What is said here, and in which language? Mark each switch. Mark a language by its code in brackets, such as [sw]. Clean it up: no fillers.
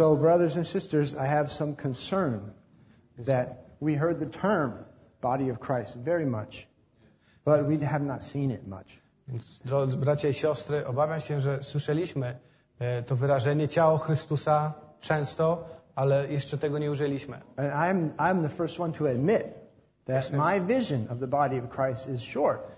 [en] So, brothers and sisters, I have some concern that we heard the term body of Christ very much. But we have not seen it much. [pl] Więc, drodzy bracia i siostry, obawiam się, że słyszeliśmy to wyrażenie ciało Chrystusa często, ale jeszcze tego nie użyliśmy. [en] I'm the first one to admit that my vision of the body of Christ is short.